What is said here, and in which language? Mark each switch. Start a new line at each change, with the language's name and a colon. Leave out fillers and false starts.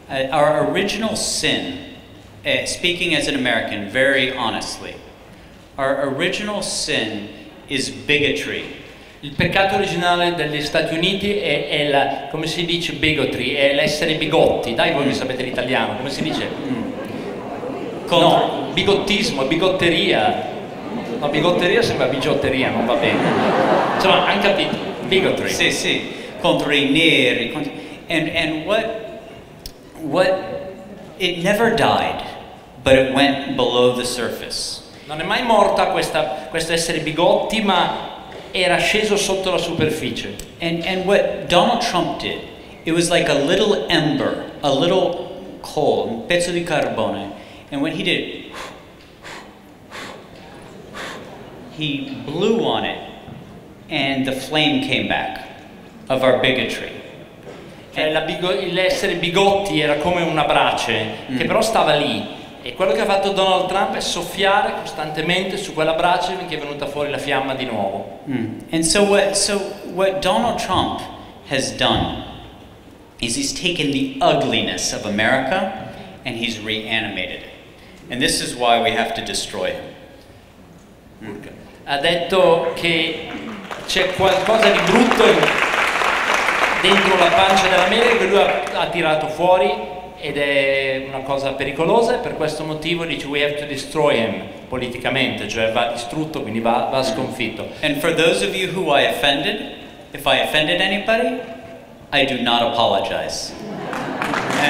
English: Our original sin, speaking as an American, very honestly, our original sin is bigotry.
Italian: Il peccato originale degli Stati Uniti è la, come si dice, bigotry, è l'essere bigotti. Dai, voi mi sapete l'italiano, come si dice? No, bigottismo, bigotteria. No, bigotteria sembra bigiotteria, non va bene. Insomma, hai capito? Bigotry. Sì, sì. Contro i neri.
English: And what it never died, but it went below the surface.
Italian: Non è mai morta questo essere bigotti, ma era sceso sotto la superficie.
English: And what Donald Trump did, it was like a little ember, a little coal, un pezzo di carbone. And what he did, he blew on it, and the flame came back of our bigotry.
Italian: L'essere bigotti era come una brace, che però stava lì. E quello che ha fatto Donald Trump è soffiare costantemente su quella brace finché è venuta fuori la fiamma di nuovo.
English: And so what Donald Trump has done is he's taken the ugliness of America and he's reanimated it. And this is why we have to destroy him.
Italian: Ha detto che c'è qualcosa di brutto dentro la pancia dell'America che lui ha tirato fuori ed è una cosa pericolosa e per questo motivo dice we have to destroy him politicamente, cioè va distrutto, quindi va sconfitto.
English: And for those of you who I offended, if I offended anybody, I do not apologize.